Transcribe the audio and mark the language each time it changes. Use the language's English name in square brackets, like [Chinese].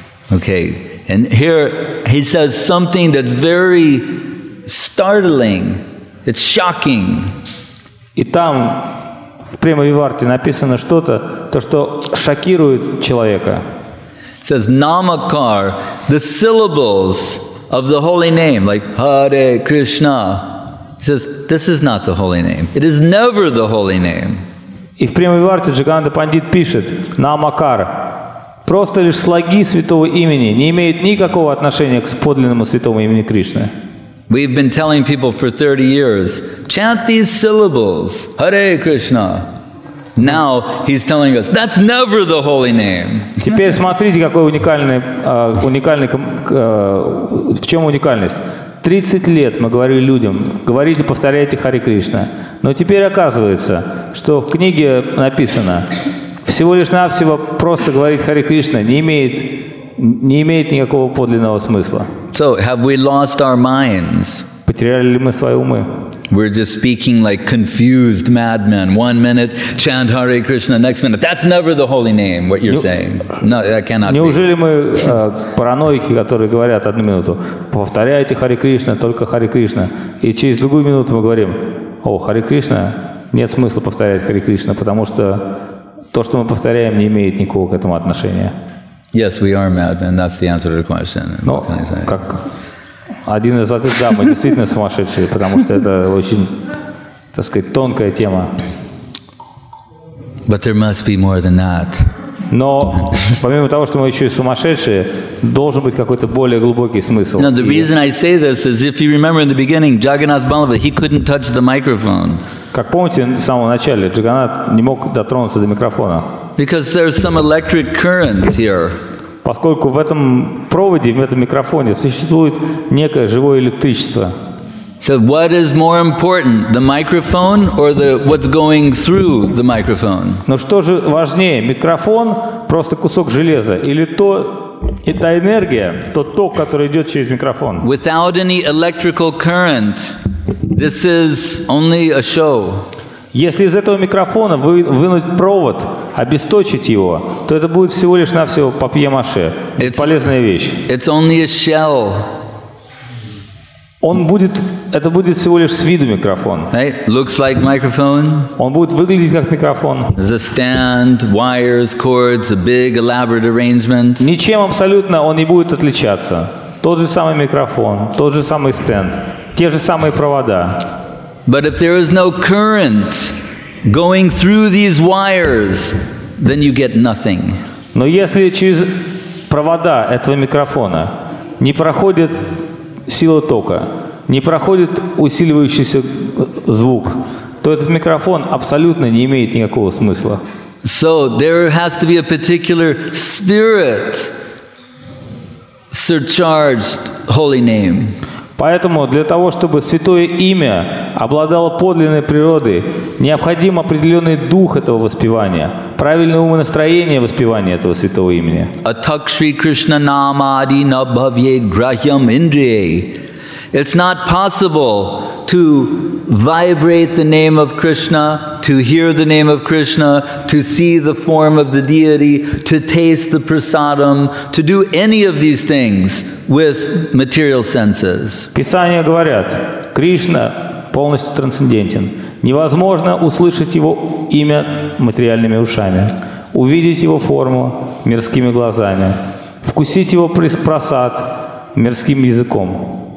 [English] Okay. And here he says something that's very startling. It's shocking. [Russian] И там в Према-Виварте написано что-то, то что шокирует человека. [English] It says Namakar, the syllables of the holy name, like Hare Krishna. He says this is not the holy name. It is never the holy name. [Russian] И в Према-Виварте Джаганда Пандит пишет Намакар. Просто лишь слоги святого имени не имеют никакого отношения к подлинному святому имени Кришны. [English] We've been telling people for 30 years, chant these syllables, Hare Krishna. Now he's telling us, that's never the holy name. [Russian] Теперь смотрите, какой уникальный, в чем уникальность. 30 лет мы говорили людям, говорите, повторяйте Hare Krishna. Но теперь оказывается, что в книге написано, всего лишь навсего просто говорить Hare Krishna не имеет никакого подлинного смысла. [English] So, have we lost our minds? [Russian] Потеряли ли мы свои умы? [English] We're just speaking like confused madmen. One minute, chant Hare Krishna, next minute. That's never the holy name, what you're saying. No, that cannot [Russian] Неужели [English] be. [Russian] Мы параноики, которые говорят одну минуту, повторяйте Hare Krishna, только Hare Krishna. И через другую минуту мы говорим, о, Hare Krishna, нет смысла повторять Hare Krishna, потому что то, что мы повторяем, не имеет никакого к этому отношения. [English] Yes, we are madmen. That's the answer to the question. [Russian] Но, [English] what can I say? [Russian] Как один из ответов, да, мы действительно сумасшедшие, потому что это очень, так сказать, тонкая тема. [English] But there must be more than that. [Russian] Но помимо того, что мы еще и сумасшедшие, должен быть какой-то более глубокий смысл. [English] Now, the reason I say this is, if you remember in the beginning, Jagannath Balabha, he couldn't touch the microphone. [Russian] Как помните, в самом начале Джаганнат не мог дотронуться до микрофона. [English] Because there's some electric current here. [Russian] Поскольку в этом проводе, в этом микрофоне существует некое живое электричество. [English] So what is more important, the microphone or the what's going through the microphone? [Russian] Но что же важнее, микрофон просто кусок железа или то эта энергия, тот ток, который идет через микрофон? [English] Without any electrical current, this is only a show. [Russian] Если из этого микрофона вынуть провод, обесточить его, то это будет всего лишь навсего папье-маше, бесполезная вещь. [English] It's only a shell. [Russian] Это будет всего лишь с виду микрофон. [English] Right? Looks like microphone. [Russian] Он будет выглядеть как микрофон. [English] The stand, wires, cords, a big elaborate arrangement. [Russian] Ничем абсолютно он не будет отличаться. Тот же самый микрофон, тот же самый стенд, те же самые провода. [English] But if there is no current going through these wires, then you get nothing. [Russian] Но если через провода этого микрофона не проходит сила тока, не проходит усиливающийся звук, то этот микрофон абсолютно не имеет никакого смысла. [English] So there has to be a particular spirit surcharged holy name. [Russian] Поэтому для того, чтобы святое имя обладало подлинной природой, необходим определенный дух этого воспевания, правильное умонастроение воспевания этого святого имени. [Sanskrit] Атак Шри Кришна Нама Ади Набхавьет Грахьям Индрией. [English] It's not possible to vibrate the name of Krishna, to hear the name of Krishna, to see the form of the deity, to taste the prasadam, to do any of these things with material senses. [Russian] Писания говорят, Кришна полностью трансцендентен. Невозможно услышать его имя материальными ушами, увидеть его форму мирскими глазами, вкусить его прасад мирским языком.